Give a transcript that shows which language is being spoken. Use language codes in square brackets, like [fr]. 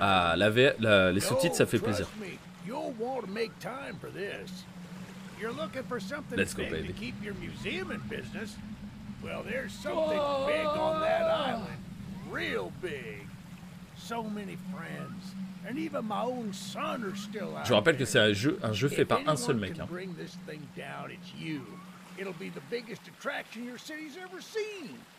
[fr] Ah, les sous-titres, ça fait plaisir. [en] Trust me, you'll want to make time for this. You're looking for something big to keep your museum in business. Well, there's something big on that island, real big. So many friends, and even my own son are still out. [fr] Je rappelle que c'est un jeu fait par un seul mec. [en] If anyone can bring this thing down, it's you. It'll be the biggest attraction your city's ever seen.